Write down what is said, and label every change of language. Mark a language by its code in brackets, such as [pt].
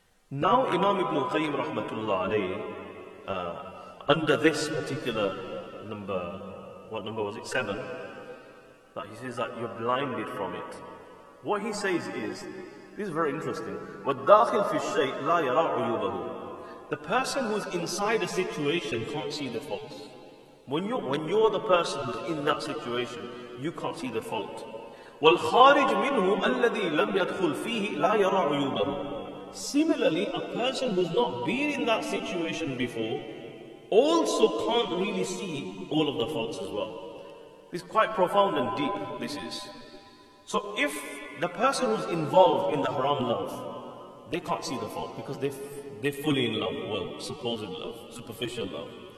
[en] Now Imam Ibn Qayyim rahmatullah alayhi, under this particular number, what number was it, 7, that he says that you're blinded from it. What he says is, this is very interesting, [ar] وَالدَّاخِلْ فِي الشَّيْءِ لَا يَرَى عُيُوبَهُ. [en] The person who's inside a situation can't see the faults. When you're the person who's in that situation, you can't see the fault. [ar] والخارج منه الذي لم يدخل فيه لا يرى عيوبه. [en] Similarly, a person who's not been in that situation before also can't really see all of the faults as well. It's quite profound and deep, this is. So if the person who's involved in the haram love, they can't see the fault because they're fully in love, well, supposed love, superficial love.